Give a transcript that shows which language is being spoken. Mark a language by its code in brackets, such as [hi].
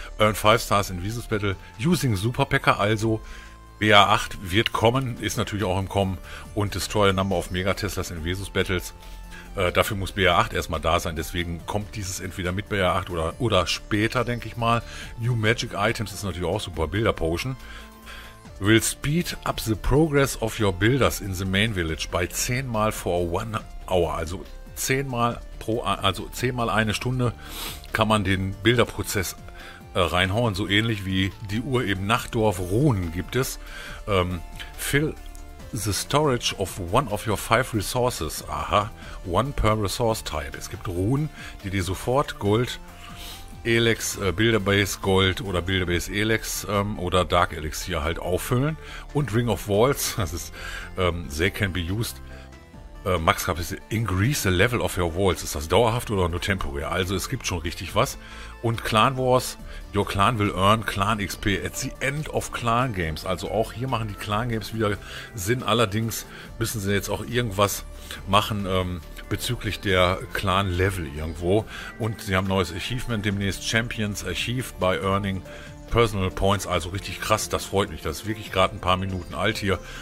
[en] Earn 5 stars in Visus Battle using Super Packer, also... [de] BA8 wird kommen, ist natürlich auch im Kommen und Destroy a Number of Megateslas in Vesus Battles. Dafür muss BA8 erstmal da sein, deswegen kommt dieses entweder mit BA8 oder später, denke ich mal. New Magic Items ist natürlich auch super, Builder Potion. [en] Will speed up the progress of your builders in the main village by 10 mal for 1 hour. [de] Also 10 mal pro, also 10 mal eine Stunde kann man den Builderprozess reinhauen, so ähnlich wie die Uhr im Nachtdorf Runen gibt es. [en] Fill the storage of one of your 5 resources. Aha, one per resource type. [de] Es gibt Runen, die dir sofort Gold, Elex, Builderbase Gold oder Builderbase Elex oder Dark Elixier halt auffüllen. Und Ring of Walls, das ist they can be used. Max gab es, increase the level of your walls. Ist das dauerhaft oder nur temporär? Also es gibt schon richtig was. Und Clan Wars, your clan will earn Clan XP at the end of Clan Games. Also auch hier machen die Clan Games wieder Sinn. Allerdings müssen sie jetzt auch irgendwas machen bezüglich der Clan Level irgendwo. Und sie haben neues Achievement demnächst. Champions achieved by earning Personal Points, also richtig krass, das freut mich. Das ist wirklich gerade ein paar Minuten alt hier.